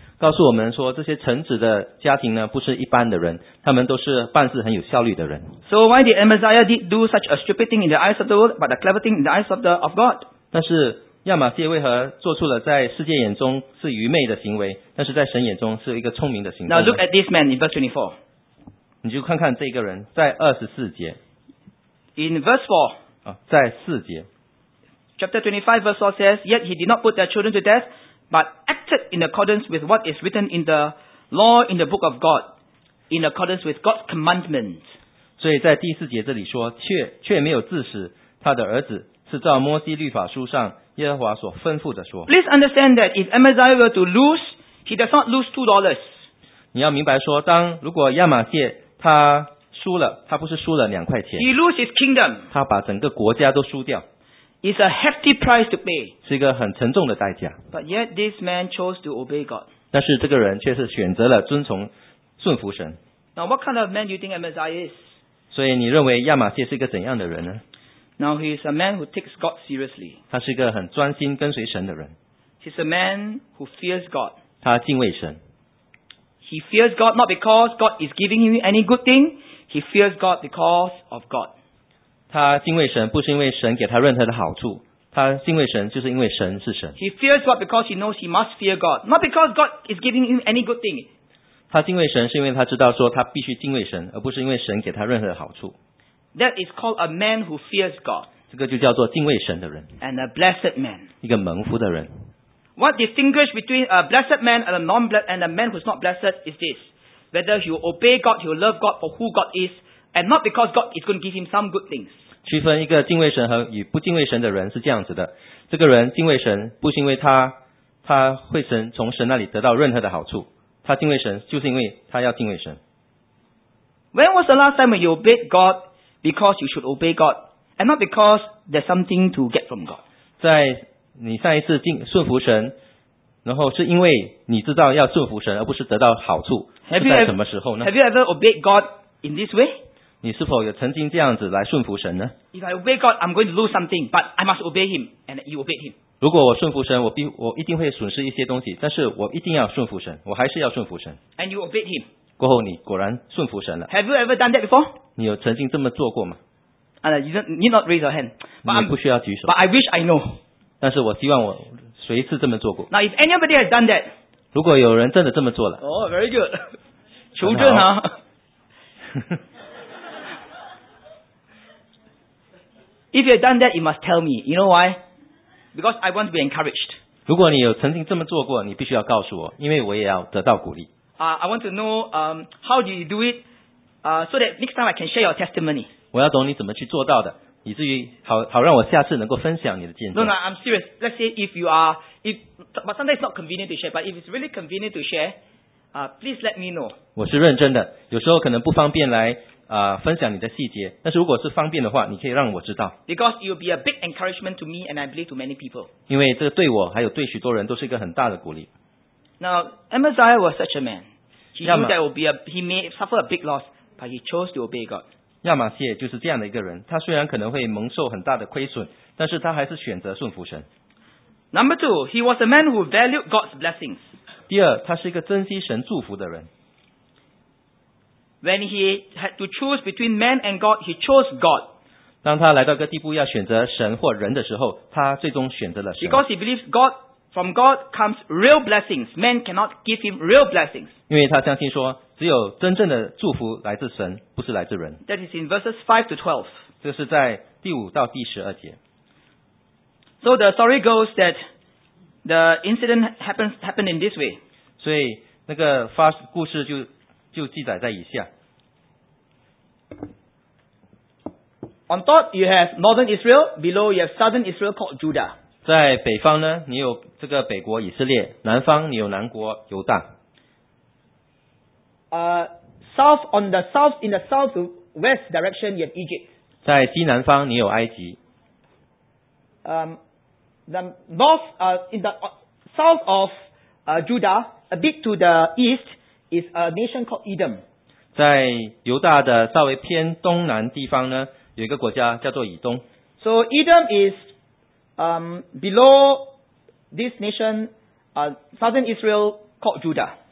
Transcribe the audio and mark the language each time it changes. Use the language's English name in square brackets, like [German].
[Chinese] 告诉我们说，这些臣子的家庭呢，不是一般的人，他们都是办事很有效率的人。 [English] So why did Amaziah do such a stupid thing in the eyes of the world, but a clever thing in the eyes of God? [Chinese] 但是亚玛谢为何做出了在世界眼中是愚昧的行为，但是在神眼中是一个聪明的行动？ [English] Now look at this man in verse 24. [Chinese] 你就看看这个人，在24节。 [English] In verse 4. [Chinese] 在四节。 [English] Chapter 25 verse 4 says, Yet he did not put their children to death, but acted in accordance with what is written in the law in the book of God, in accordance with God's commandment. [Chinese] 所以在第四节这里说，却没有致使他的儿子，是照摩西律法书上耶和华所吩咐的说。 [English] Please understand that if Amaziah were to lose, he does not lose $2. [Chinese] 你要明白说，当如果亚玛谢他输了，他不是输了两块钱。 [English] He loses his kingdom. [Chinese] 他把整个国家都输掉。 [English] It's a hefty price to pay. [Chinese] 是一个很沉重的代价。 [English] But yet this man chose to obey God. [Chinese] 但是这个人却是选择了遵从顺服神。 [English] Now what kind of man do you think Amaziah is? [Chinese] 所以你认为亚玛谢是一个怎样的人呢？ [English] Now he is a man who takes God seriously. [Chinese] 他是一个很专心跟随神的人。 [English] He's a man who fears God. [Chinese] 他敬畏神。 [English] He fears God not because God is giving him any good thing. He fears God because of God. [Chinese] 他敬畏神不是因为神给他任何的好处，他敬畏神就是因为神是神。 [English] He fears God because he knows he must fear God, not because God is giving him any good thing. [Chinese] 他敬畏神是因为他知道说他必须敬畏神，而不是因为神给他任何的好处。 [English] That is called a man who fears God. [Chinese] 这个就叫做敬畏神的人。 [English] And a blessed man. [Chinese] 一个蒙福的人。 [English] What distinguishes between a blessed man and a non-blessed and a man who is not blessed is this: whether he will obey God, he will love God for who God is, and not because God is going to give him some good things. [Chinese] 区分一个敬畏神和与不敬畏神的人是这样子的：这个人敬畏神，不是因为他会神从神那里得到任何的好处，他敬畏神就是因为他要敬畏神。 [English] When was the last time when you obeyed God? Because you should obey God, and not because there's something to get from God. [Chinese] 在你上一次顺服神，然后是因为你知道要顺服神，而不是得到好处。 [English] Have you [Chinese] 是在什么时候呢 [English] ？Have you ever obeyed God in this way? [Chinese] 你是否有曾经这样子来顺服神呢 [English] ？If I obey God, I'm going to lose something, but I must obey Him, and you obey Him. [Chinese] 如果我顺服神，我一定会损失一些东西，但是我一定要顺服神，我还是要顺服神。 [English] And you obey Him. [Chinese] 过后你果然顺服神了。 [English] Have you ever done that before? [Chinese] 你有曾经这么做过吗？ [English] You not raise your hand. [Chinese] 你不需要举手。 [English] But I wish I know. [Chinese] 但是我希望我谁是这么做过。 [English] Now if anybody has done that. [Chinese] 如果有人真的这么做了。 [English] Oh, very good. [Chinese] 求证啊。 [English] If you have done that, you must tell me. You know why? Because I want to be encouraged. [Chinese] 如果你有曾经这么做过，你必须要告诉我，因为我也要得到鼓励。 [English] I want to know, how do you do it? so that next time I can share your testimony. [Chinese] 我要懂你怎么去做到的，以至于 好让我下次能够分享你的见证。 [English] No, I'm serious. Let's say if you are, if, but sometimes it's not convenient to share, but if it's really convenient to share, please let me know. [Chinese] 我是认真的，有时候可能不方便来分享你的细节，但是如果是方便的话，你可以让我知道。 [English] Because it will be a big encouragement to me and I believe to many people. [Chinese] 因为这对我还有对许多人都是一个很大的鼓励。 [English] Now, Amaziah was such a man. He knew that will be a, he may suffer a big loss, but he chose to obey God. [Chinese] 亚玛谢就是这样的一个人，他虽然可能会蒙受很大的亏损，但是他还是选择顺服神。 [English] Number two, he was a man who valued God's blessings. [Chinese] 第二，他是一个珍惜神祝福的人。 [English] When he had to choose between man and God, he chose God. [Chinese] 当他来到一个地步要选择神或人的时候，他最终选择了神。 [English] Because he believes God, from God comes real blessings. Man cannot give him real blessings. [Chinese] 因为他相信说，只有真正的祝福来自神，不是来自人。 [English] That is in verses 5 to 12. [Chinese] 这是在第五到第十二节。 [English] So the story goes that the incident happened in this way. [Chinese] 所以那个发故事就记载在以下。 [English] On top, you have northern Israel. Below, you have southern Israel called Judah. [Chinese] 在北方呢，你有这个北国以色列；南方你有南国犹大。 [English] South on the south in the southwest direction, you have Egypt. [Chinese] 在西南方你有埃及。 [English] The north, in the south of Judah, a bit to the east. Is a nation called Edom. [Chinese] 在犹大的稍微偏东南地方呢，有一个国家叫做以东。 [English] So Edom is below this nation, southern Israel called Judah.